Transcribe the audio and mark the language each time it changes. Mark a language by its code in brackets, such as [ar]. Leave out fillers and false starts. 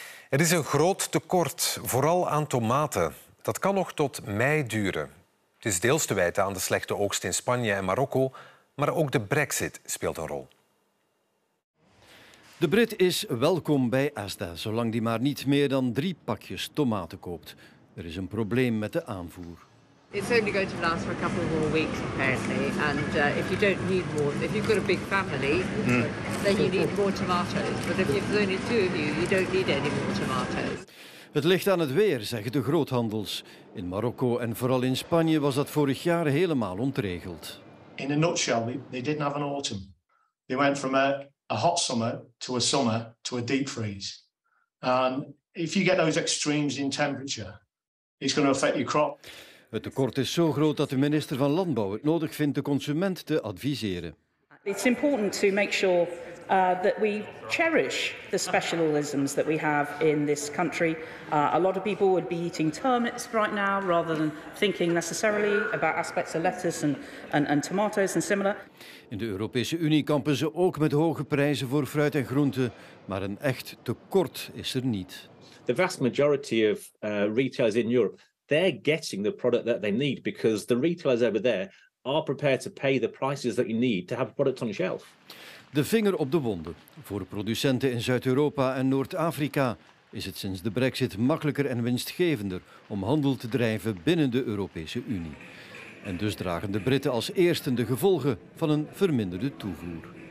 [nl] Er is een groot tekort, vooral aan tomaten. Dat kan nog tot mei duren. Het is deels te wijten aan de slechte oogst in Spanje en Marokko. Maar ook de Brexit speelt een rol. De Brit is welkom bij Asda, zolang die maar niet meer dan 3 pakjes tomaten koopt. Er is een probleem met de aanvoer. [en] It's only going to last for a couple more weeks apparently, and if you don't need more, if you've got a big family, then you need more tomatoes. But if there's only 2 of you, you don't need any more tomatoes. [nl] Het ligt aan het weer, zeggen de groothandels. In Marokko en vooral in Spanje was dat vorig jaar helemaal ontregeld. [en] In a nutshell, they didn't have an autumn. They went from a hot summer to a deep freeze. And if you get those extremes in temperature, it's going to affect your crop. [nl] Het tekort is zo groot dat de minister van Landbouw het nodig vindt de consument te adviseren. [en] It's important to make sure that we cherish the specialisms that we have in this country. A lot of people would be eating turnips right now rather than thinking necessarily about aspects of lettuce and tomatoes and similar. [nl] In de Europese Unie kampen ze ook met hoge prijzen voor fruit en groenten, maar een echt tekort is er niet. [en] The vast majority of retailers in Europe, they're getting the product that they need because the retailers over there are prepared to pay the prices that you need to have a product on shelf. [nl] De vinger op de wonden. Voor producenten in Zuid-Europa en Noord-Afrika is het sinds de Brexit makkelijker en winstgevender om handel te drijven binnen de Europese Unie. En dus dragen de Britten als eerste de gevolgen van een verminderde toevoer.